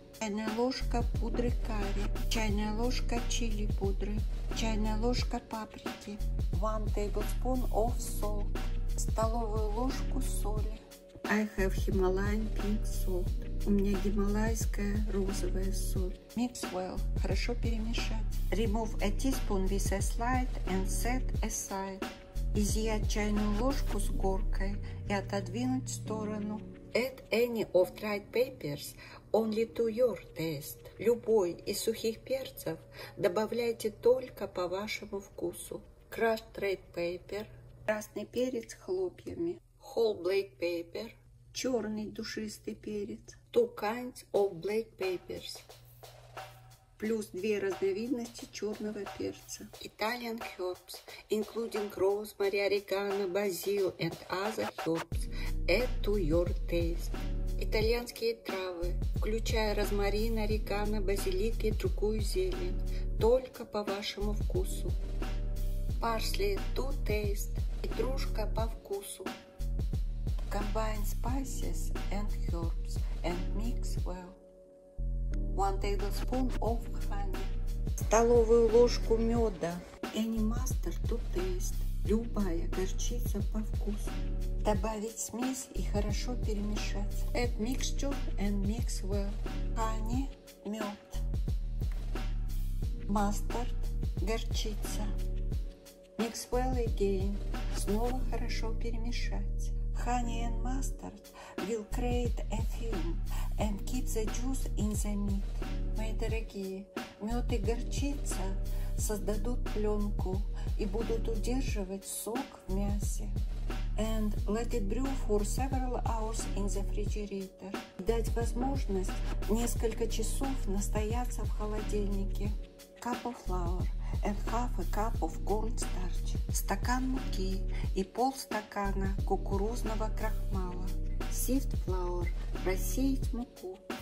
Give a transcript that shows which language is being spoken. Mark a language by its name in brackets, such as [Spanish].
[Russian] Чайная ложка пудры карри. Чайная ложка чили пудры. Чайная ложка паприки. [English] 1 tablespoon of salt. [Russian] Столовую ложку соли. [English] I have Himalayan pink salt. [Russian] У меня гималайская розовая соль. [English] Mix well. [Russian] Хорошо перемешать. [English] Remove 1 teaspoon with a slide and set aside. [Russian] Изъять чайную ложку с горкой и отодвинуть в сторону. [English] Add any of dried peppers only to your taste. [Russian] Любой из сухих перцев добавляйте только по вашему вкусу. [English] Crushed red pepper. [Russian] Красный перец хлопьями. [English] Whole black pepper. [Russian] Черный душистый перец. [English] 2 kinds of black peppers. [Russian] Плюс 2 разновидности черного перца. [English] Italian herbs, including rosemary, oregano, basil and other herbs, add to your taste. [Russian] Итальянские травы, включая розмарин, орегано, базилик и другую зелень, только по вашему вкусу. [English] Parsley to taste, [Russian] петрушка по вкусу. [English] Combine spices and herbs and mix well. 1 tablespoon of honey. [Russian] Столовую ложку меда. [English] Any mustard to taste. [Russian] Любая горчица по вкусу. Добавить смесь и хорошо перемешать. [English] Add mixture and mix well. Honey, мед. Mustard, горчица. Mix well again. [Russian] Снова хорошо перемешать. [English] Honey and mustard will create a film and keep the juice in the meat. [Russian] Мои дорогие, мед и горчица создадут пленку и будут удерживать сок в мясе. [English] And let it brew for several hours in the refrigerator. [Russian] Дать возможность несколько часов настояться в холодильнике. [English] Cup of flour and 1/2 cup of cornstarch. [Russian] Стакан муки и 0.5 стакана кукурузного крахмала. [English] Sift flour. [Russian] Просеять муку.